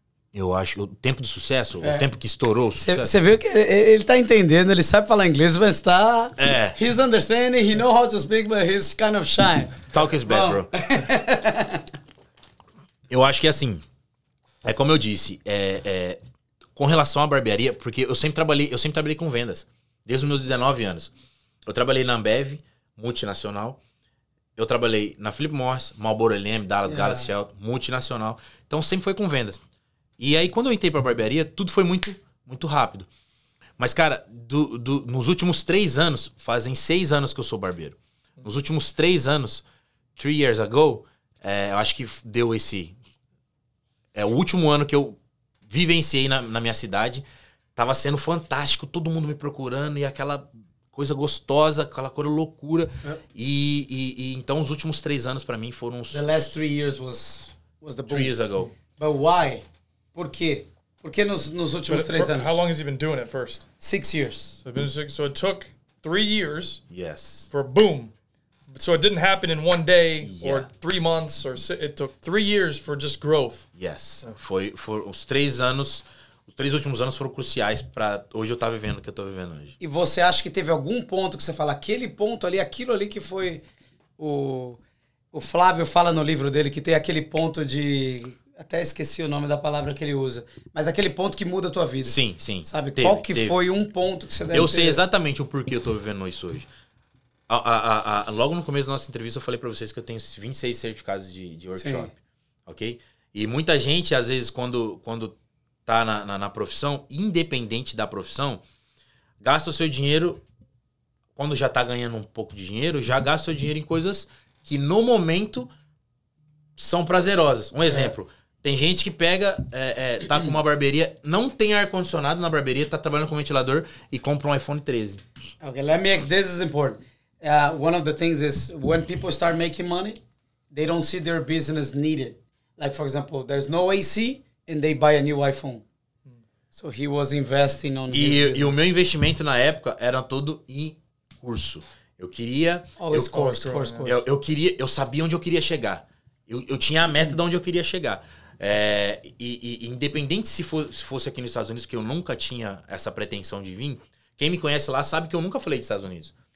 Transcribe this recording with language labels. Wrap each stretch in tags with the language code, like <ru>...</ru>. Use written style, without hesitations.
<pt>Eu acho que o tempo do sucesso, o tempo que estourou o sucesso. Você viu que ele tá entendendo, ele sabe falar inglês, mas está...</pt> <en>He's understanding, he knows how to speak, but he's kind of shy. Talk is bad, bro.</en> <pt>Eu acho que é assim, é como eu disse, com relação à barbearia, porque eu sempre trabalhei com vendas, desde os meus 19 anos. Eu trabalhei na Ambev, multinacional. Eu trabalhei na Philip Morris, Marlboro LM, Dallas, Gallas, Shell, multinacional. Então sempre foi com vendas. E aí, quando eu entrei pra barbearia, tudo foi muito, muito rápido. Mas, cara, nos últimos 3 anos, fazem 6 anos que eu sou barbeiro. Nos últimos 3 anos,</pt> <en>3 years ago,</en> <pt>eu acho que deu esse... É o último ano que eu vivenciei na minha cidade. Tava sendo fantástico, todo mundo me procurando e aquela coisa gostosa, aquela coisa loucura. E então, os últimos 3 anos pra mim foram...</pt> <en>The last 3 years was the boom. 3 years ago. But why?</en> <pt>Por quê? Por que nos últimos três anos?</pt> <en>How long has he been doing it first? 6 years. So it took 3 years. Yes. For boom. So it didn't happen in one day or 3 months. It took 3 years for just growth.</en> <pt>Yes. Foi os 3 anos. Os 3 últimos anos foram cruciais para hoje eu estar vivendo o que eu estou vivendo hoje. E você acha que teve algum ponto que você fala, aquele ponto ali, aquilo ali que foi o Flávio fala no livro dele, que tem aquele ponto de... Até esqueci o nome da palavra que ele usa. Mas aquele ponto que muda a tua vida. Sim, sim. Sabe? Teve, qual que teve. Foi um ponto que você deve Eu sei exatamente o porquê eu tô vivendo isso hoje. Logo no começo da nossa entrevista eu falei pra vocês que eu tenho 26 certificados de workshop. Sim. Ok? E muita gente, às vezes, quando tá na profissão, independente da profissão, gasta o seu dinheiro, quando já tá ganhando um pouco de dinheiro, já gasta o seu dinheiro em coisas que no momento são prazerosas. Um exemplo, tem gente que pega, tá com uma barbearia, não tem ar-condicionado na barbearia, tá trabalhando com ventilador e compra um iPhone 13.</pt> <en>Okay, let me ask, this is important. One of the things is, when people start making money, they don't see their business needed. Like, for example, there's no AC and they buy a new iPhone. So he was investing on his business.</en> <pt>E o meu investimento na época era todo em curso. Eu queria...</pt> <en>Always course.</en> <pt>Eu sabia onde eu queria chegar. Eu tinha a meta de onde eu queria chegar. E independente se fosse aqui nos Estados Unidos, que eu nunca tinha essa pretensão de vir, quem me conhece lá sabe que eu nunca falei dos Estados Unidos.</pt>